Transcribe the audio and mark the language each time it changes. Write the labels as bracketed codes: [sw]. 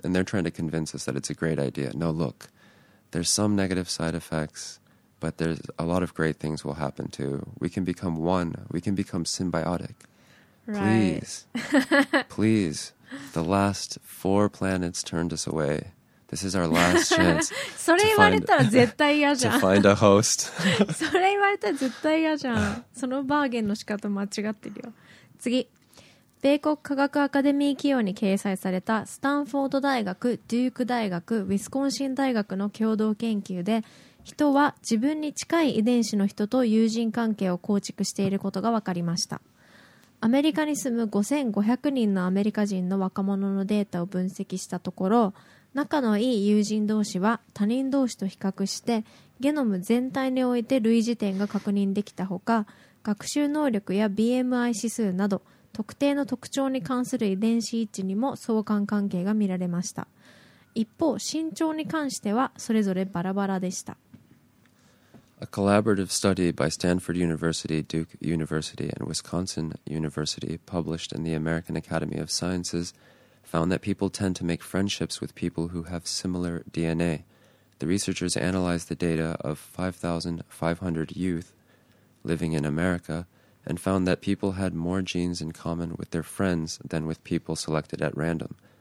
[en] And they're trying to convince us that it's a great idea. No, look, there's some negative side effects, but there's a lot of great things will happen too. We can become one. We can become symbiotic. Right. Please, please, the last four planets turned us away. This is our last chance. [ja] それ言われたら絶対嫌じゃん。 [en] To find a host. [ja] それ言われたら絶対嫌じゃん。そのバーゲンの仕方間違ってるよ。次。米国科学アカデミー企業に掲載されたスタンフォード大学、デューク大学、ウィスコンシン大学の共同研究で、人は自分に近い遺伝子の人と友人関係を構築していることが分かりました。アメリカに住む5500人のアメリカ人の若者のデータを分析したところ、仲のいい友人同士は他人同士と比較してゲノム全体において類似点が確認できたほか、学習能力や BMI 指数など特定の特徴に関する遺伝子位置にも相関関係が見られました。一方、身長に関してはそれぞれバラバラでした。 [en] A collaborative study by Stanford University, Duke University, and Wisconsin University published in the American Academy of Sciencesfound that people tend to make friendships with people who have similar DNA. The researchers analyzed the data of 5,500 youth living in America and found that people had more genes in common with their friends than with people selected at random.